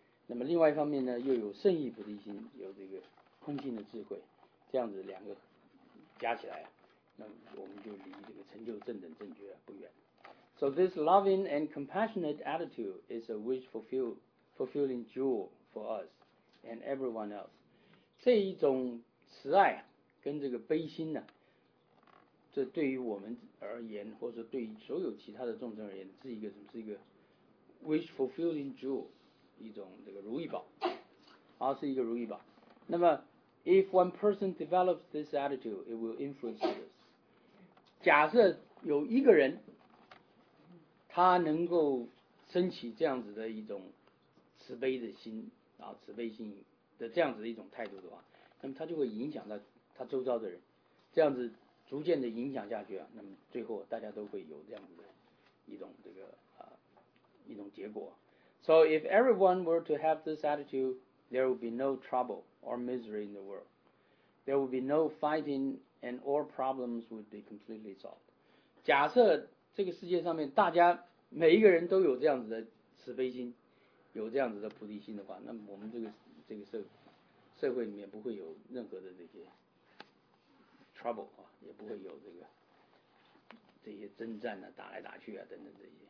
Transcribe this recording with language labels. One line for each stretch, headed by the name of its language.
Chinese: 那么另外一方面呢，又有圣意菩提心，有这个空性的智慧，这样子两个加起来，那我们就离这个成就正等正觉不远。
English: So this loving and compassionate attitude is a wish fulfilling jewel for us and everyone else。
Chinese: 这一种慈爱跟这个悲心呢，这对于我们而言，或者对于所有其他的众生而言，是一个什么？是一个
English: wish fulfilling jewel，
Chinese: 一种这个如意宝，啊，是一个如意宝。那么
English: ，if one person develops this attitude， it will influence others。
Chinese: 假设有一个人，他能够升起这样子的一种慈悲的心，啊，慈悲心的这样子的一种态度的话，那么他就会影响到他周遭的人，这样子。逐渐的影响下去啊，那么最后大家都会有这样的一种这个一种结果。
English: So if everyone were to have this attitude, there would be no trouble or misery in the world. There would be no fighting, and all problems would be completely solved.
Chinese: 假设这个世界上面大家每一个人都有这样子的慈悲心，有这样子的菩提心的话，那么我们这个社会里面不会有任何的这些trouble 啊，也不会有这些征战啊，打来打去啊，等等这些。